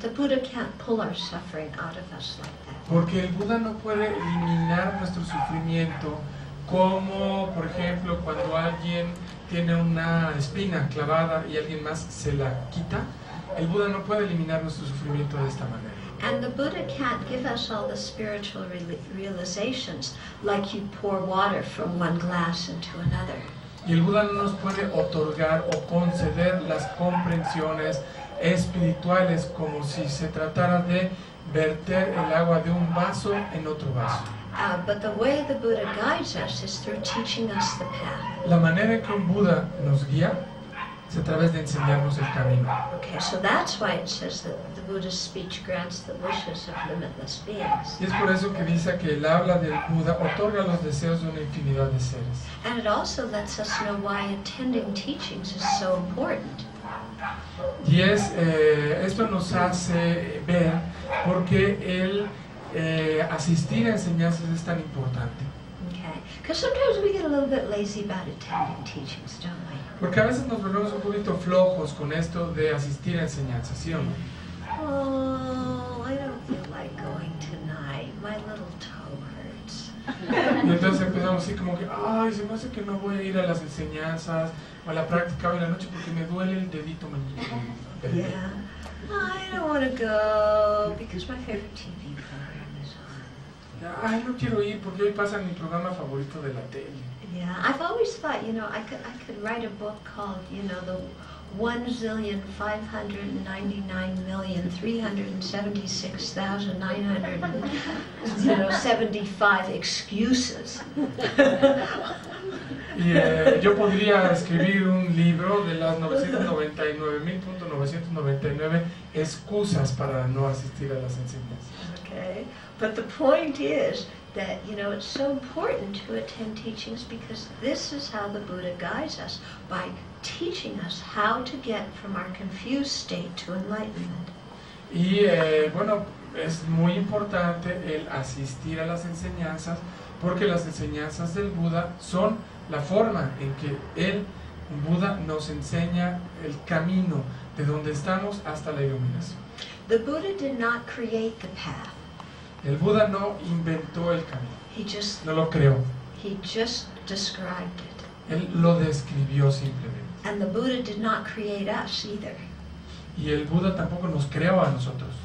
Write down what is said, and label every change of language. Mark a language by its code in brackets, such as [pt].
[en] The Buddha can't pull our suffering out of us like that. [es] Porque el Buda no puede eliminar nuestro sufrimiento como, por ejemplo, cuando alguien tiene una espina clavada y alguien más se la quita. El Buda no puede eliminar nuestro sufrimiento de esta manera. [en] And the Buddha can't give us all the spiritual realizations like you pour water from one glass into another. [es] Y el Buda no nos puede otorgar o conceder las comprensiones espirituales como si se tratara de verter el agua de un vaso en otro vaso. [en] But the way the Buddha guides us is through teaching us the path. [es] La manera en que un Buda nos guía es a través de enseñarnos el camino. [en] Okay, so that's why it says that the Buddha's speech grants the wishes of limitless beings. [es] Y es por eso que dice que el habla del Buda otorga los deseos de una infinidad de seres. [en] And it also lets us know why attending teachings is so important. [es] Y es esto nos hace ver por qué el asistir a enseñanzas es tan importante. [en] Okay, because sometimes we get a little bit lazy about attending teachings, don't we? [es] Porque a veces nos volvemos un poquito flojos con esto de asistir a enseñanzas, ¿sí o no? [en] Oh, I don't feel like going tonight. My little toe hurts. [es] Y entonces empezamos así como que, ay, se me hace que no voy a ir a las enseñanzas o a la práctica hoy en la noche porque me duele el dedito meñique. [en] Yeah. I don't want to go because my favorite TV program is on. [es] Ay, no quiero ir porque hoy pasa mi programa favorito de la tele. [en] Yeah, I've always thought, you know, I could write a book called, you know, the 1,599,376,975 excuses. [es] Yo podría escribir un libro de las 999,999 excusas para no asistir a las enseñanzas. [en] Okay, but the point is that, you know, it's so important to attend teachings because this is how the Buddha guides us, by teaching us how to get from our confused state to enlightenment. [es] Y bueno, es muy importante el asistir a las enseñanzas porque las enseñanzas del Buda son la forma en que el Buda nos enseña el camino de donde estamos hasta la iluminación. [en] The Buddha did not create the path. [es] El Buda no inventó el camino. [en] He just, [es] no lo creó. [en] He just described it. [es] Él lo describió simplemente. [en] And the Buddha did not create us either. [es] Y el Buda tampoco nos creó a nosotros.